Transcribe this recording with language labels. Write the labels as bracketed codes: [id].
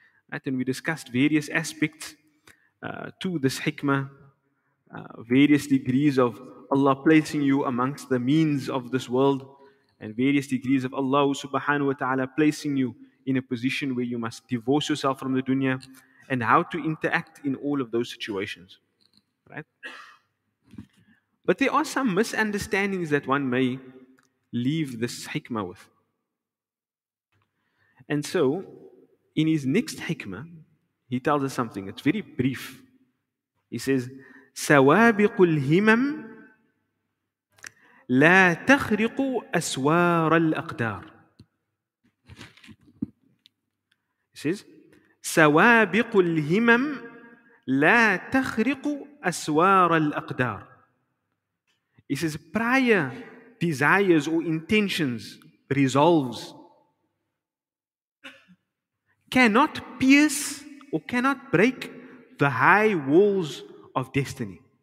[en] Right, and we discussed various aspects to this hikmah, various degrees of Allah placing you amongst the means of this world and various degrees of Allah subhanahu wa ta'ala placing you in a position where you must divorce yourself from the dunya and how to interact in all of those situations, right? But there are some misunderstandings that one may leave this hikmah with. And so, in his next hikmah, he tells us something. It's very brief. He says, [ar] سوابق الهمم لا تخرق أسوار الأقدار. [en] It says, [ar] سوابق الهمم لا تخرق أسوار الأقدار. [en] It says, prior desires or intentions, resolves, cannot pierce or cannot break the high walls of destiny.